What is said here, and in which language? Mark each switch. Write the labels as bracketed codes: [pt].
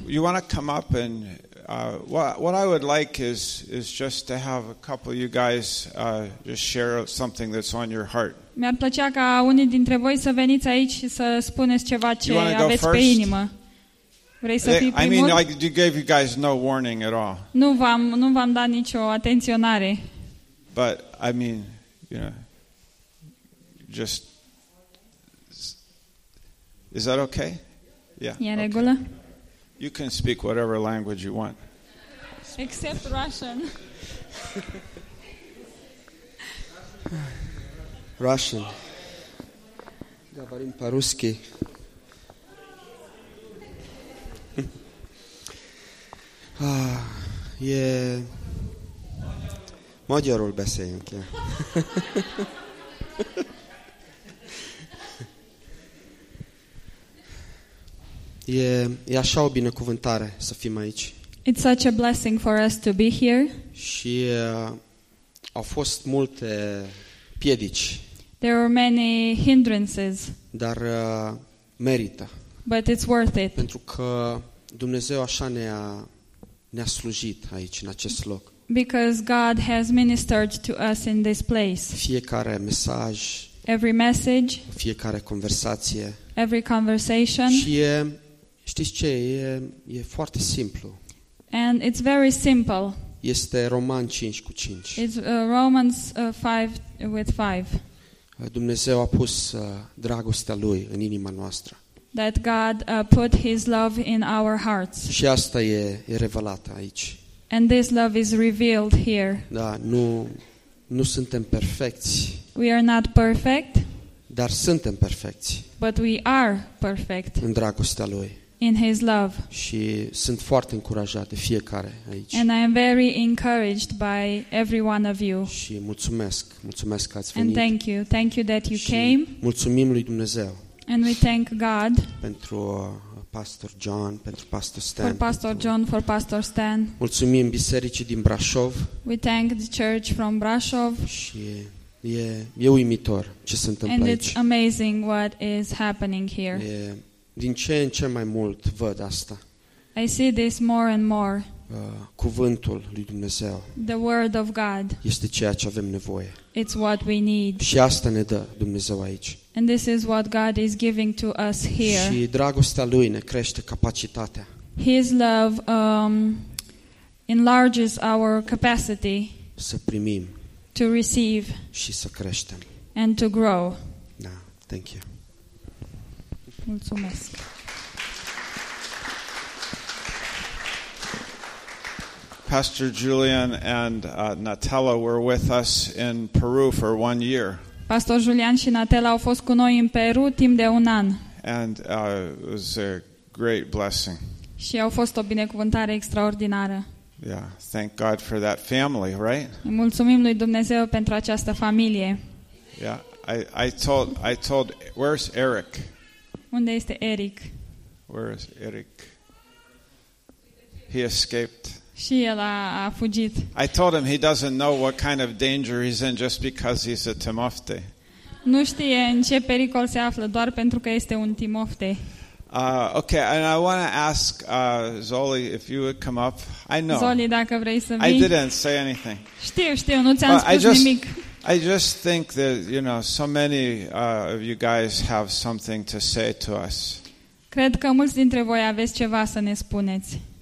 [en] You want to come up and what I would like is just to have a couple of you guys just share something that's on your heart. [ro] Mi-ar plăcea ca unii dintre voi să veniți aici și să spuneți ceva ce aveți pe inimă. Vrei să fii primul? [en] I mean, like, you gave you guys no warning at all. [ro] Nu v-am dat nicio atenționare. [en] But I mean, you know, just is that okay? [ro] Yeah. E în regulă? [en] You can speak whatever language you want. Except Russian. [ru] Russian. Говорим по-русски. [hu] E magyarul beszéljünk. [ro] E așa o binecuvântare să fim aici. [en] It's such a blessing for us to be here. [ro] Și au fost multe piedici. [en] There were many hindrances. [ro] Dar merită. [en] But it's worth it. [ro] Pentru că Dumnezeu așa ne-a slujit aici în acest loc. [en] Because God has ministered to us in this place. [ro] Fiecare mesaj, [en] every message, [ro] fiecare conversație, [en] every conversation. [ro] Și știți ce, e foarte simplu. [en] And it's very simple. [ro] Este Roman 5:5. [en] It's Romans 5:5. [ro] Dumnezeu a pus dragostea lui în inima noastră. [en] That God put his love in our hearts. [ro] Și asta e revelat aici. [en] And this love is revealed here. [ro] Da, nu suntem perfecți. [en] We are not perfect. [ro] Dar suntem perfecți. [en] But we are perfect. [ro] În dragostea lui. [en] In his love. [ro] Și sunt foarte încurajat de fiecare aici. [en] And I am very encouraged by every one of you. [ro] Și mulțumesc că ați venit. [en] And thank you that you came. [ro] Mulțumim lui Dumnezeu. [en] And we thank God [ro] pentru Pastor John, pentru Pastor Stan. [en] For Pastor John, for Pastor Stan. [ro] Mulțumim bisericii din Brașov. [en] We thank the church from Brașov. [ro] Și e uimitor ce se întâmplă [en] and [ro] aici. [en] And it's amazing what is happening here. [ro] Din ce în ce mai mult văd asta. [en] I see this more and more. [ro] Cuvântul lui Dumnezeu. [en] The word of God. [ro] Este ceea ce avem nevoie. [en] It's what we need. [ro] Și asta ne dă Dumnezeu aici. [en] And this is what God is giving to us here. [ro] Și dragostea lui ne crește capacitatea. [en] His love enlarges our capacity. [ro] Să primim. [en] To receive. [ro] Și să creștem. [en] And to grow. Da, thank you. [ro] Mulțumesc. [en] Pastor Julian and Natella were with us in Peru for 1 year. [ro] Pastor Julian și Natella au fost cu noi în Peru timp de un an. [en] And it was a great blessing. [ro] Și au fost o binecuvântare extraordinară. [en] Yeah, thank God for that family, right? [ro] Mulțumim lui Dumnezeu pentru această familie. [en] Yeah, I told where's Eric? [ro] Unde este Eric? [en] Where is Eric? He escaped. [ro] Și el a fugit. [en] I told him he doesn't know what kind of danger he's in just because he's a Timofte. [ro] Nu știe în ce pericol se află doar pentru că este un Timofte. [en] Okay, and I want to ask Zoli if you would come up. I know. [ro] Zoli, dacă vrei să vii. [en] I didn't say anything. [ro] Știu, nu ți-am spus nimic. [en] I just think that, you know, so many of you guys have something to say to us. [ro] Cred că mulți dintre voi aveți ceva să ne spuneți.